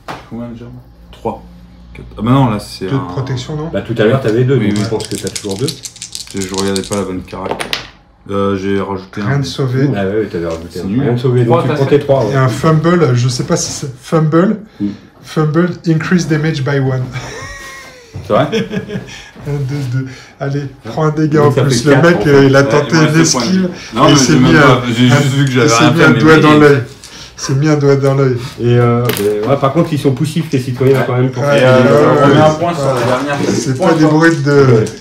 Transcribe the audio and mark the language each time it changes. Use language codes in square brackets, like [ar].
[fr] Combien déjà? 3. 4. Ah bah non, là c'est 2 de protection, non? Bah tout à l'heure t'avais 2, mais je pense que t'as toujours 2. Je regardais pas la bonne carte. J'ai rajouté rien de sauvé. Ah ouais, t'avais rajouté un. Rien de sauvé, donc 3, tu comptais 3. Il y a un fumble, je sais pas si c'est... Fumble. [en] Fumble, increase damage by 1. [fr] C'est vrai? 1, 2, 2. Allez, prends un dégât en plus. Le mec, il a tenté une esquive. Non, mais c'est mis un doigt dans l'œil. C'est mis un doigt dans l'œil. Et ouais, par contre, ils sont poussifs, les citoyens, quand même. Pour on met un point sur la dernière. C'est pas des bruits de.